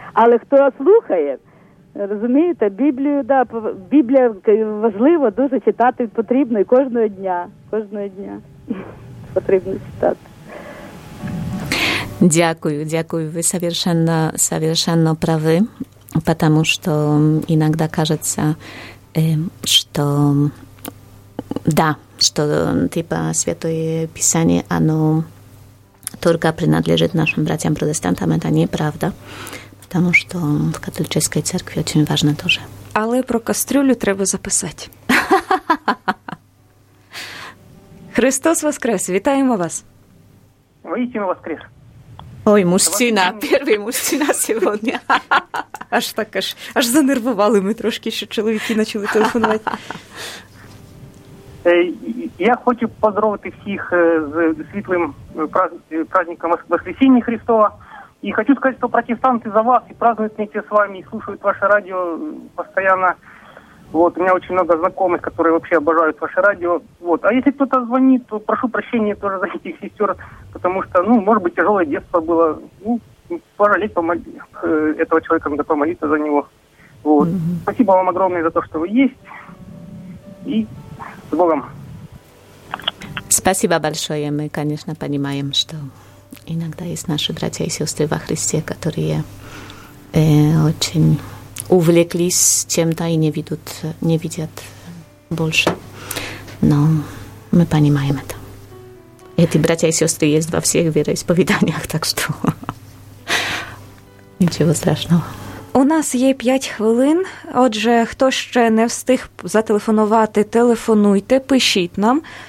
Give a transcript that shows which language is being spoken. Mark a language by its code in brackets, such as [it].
[uk] Але хто слухає, розумієте, Біблію, да, Біблія важливо дуже читати, потрібно і кожного дня потрібно читати. Дякую, дякую. [ru] Вы совершенно, совершенно правы, потому что иногда кажется, что да, что типа Святое Писание, оно только принадлежит нашим братьям-протестантам, это неправда, потому что в католической церкви очень важно тоже. [uk] Але про кастрюлю треба записати. Христос воскрес, вітаємо вас. [ru] Воистину воскрес. [uk] Ой, мужчина, перший мужчина сьогодні. Аж так, аж занервували ми трошки, що чоловіки почали телефонувати. Я хочу поздравити всіх з світлим праздником Воскресіння Христова. І хочу сказати, що протестанти за вас і празднують вместе з вами, і слухають ваше радіо постійно. [ru] Вот, у меня очень много знакомых, которые вообще обожают ваше радио. Вот. А если кто-то звонит, то прошу прощения тоже за этих сестер, потому что, ну, может быть, тяжелое детство было. Ну, пожалеть этого человека, надо помолиться за него. Вот. Mm-hmm. Спасибо вам огромное за то, что вы есть. И с Богом. Спасибо большое. Мы, конечно, понимаем, что иногда есть наши братья и сестры во Христе, которые очень... увлеклись чем-то и не видят больше. Но мы понимаем это. Эти братья и сестры есть во всех вероисповеданиях, так что ничего страшного. [uk] У нас є 5 хвилин, отже, хто ще не встиг зателефонувати, телефонуйте, пишіть нам.